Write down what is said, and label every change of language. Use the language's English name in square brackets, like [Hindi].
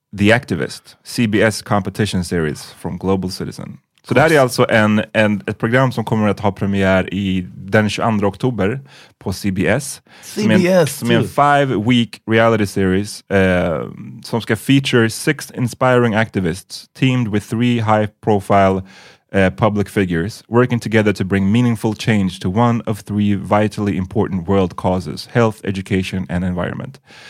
[English] The Activist, CBS competition series from Global Citizen. [Swedish] Så det här är alltså ett program som kommer att ha premiär i den 22 oktober på CBS. Som är en [English] 5-week reality series som ska feature 6 inspiring activists teamed with 3 high-profile public figures working together to bring meaningful change to one of 3 vitally important world causes: health, education and environment.